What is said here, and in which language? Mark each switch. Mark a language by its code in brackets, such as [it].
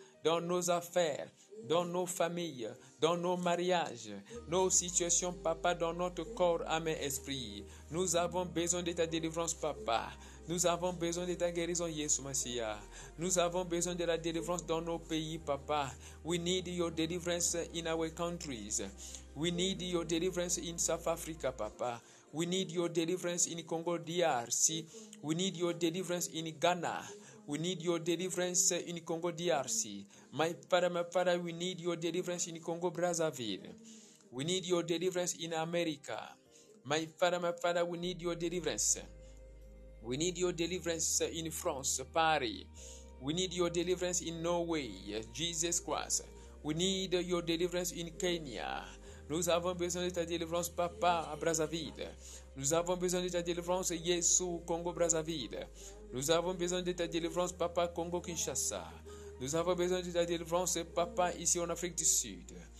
[fr] dans nos affaires, dans nos familles, dans nos mariages, nos situations, papa, dans notre corps, âme et esprit. Nous avons besoin de ta délivrance, papa. Nous avons besoin de ta guérison, Yesu Masiya. Nous avons besoin de la délivrance dans nos pays, papa. [en] We need your deliverance in our countries. We need your deliverance in South Africa, papa. We need your deliverance in Congo DRC. We need your deliverance in Ghana. We need your deliverance in Congo DRC. My father, we need your deliverance in Congo Brazzaville. We need your deliverance in America. My father, we need your deliverance. We need your deliverance in France, Paris. We need your deliverance in Norway, Jesus Christ. We need your deliverance in Kenya. [fr] Nous avons besoin de ta délivrance, papa, à Brazzaville. Nous avons besoin de ta délivrance, Yesu, Congo Brazzaville. Nous avons besoin de ta délivrance, papa, Congo Kinshasa. Nous avons besoin de ta délivrance, papa, ici en Afrique du Sud.